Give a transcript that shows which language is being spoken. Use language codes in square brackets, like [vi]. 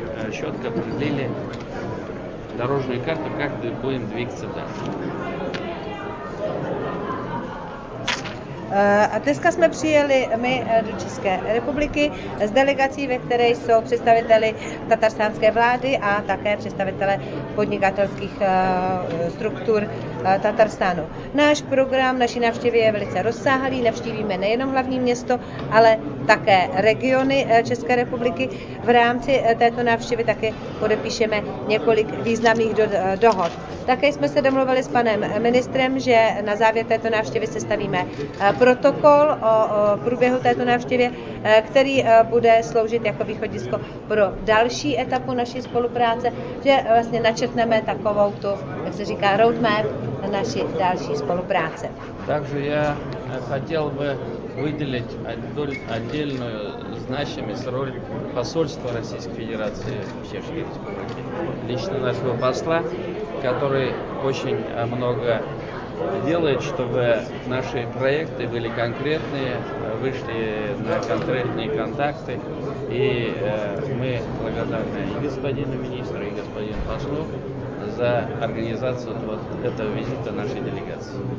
[ru] четко определили дорожную карту, как будем двигаться дальше. [cs] A dneska jsme přijeli my do České republiky s delegací, ve které jsou představiteli tatarstánské vlády a také představitele podnikatelských struktur Tatarstánu. Náš program naší návštěvy je velice rozsáhlý, navštívíme nejenom hlavní město, ale také regiony České republiky. V rámci této návštěvy také podepíšeme několik významných dohod. Také jsme se domluvili s panem ministrem, že na závěr této návštěvy sestavíme protokol o průběhu této návštěvy, který bude sloužit jako východisko pro další etapu naší spolupráce, že vlastně načrtneme takovou tu, jak se říká, roadmap naší další spolupráce. Takže já chtěl bych [ru] выделить отдельную значимость роль посольства Российской Федерации в Чешской Республике, лично нашего посла, который очень много делает, чтобы наши проекты были конкретные, вышли на конкретные контакты, и мы благодарны и господину министру, и господину послу [cs] za organizaci toho vizita naší delegace.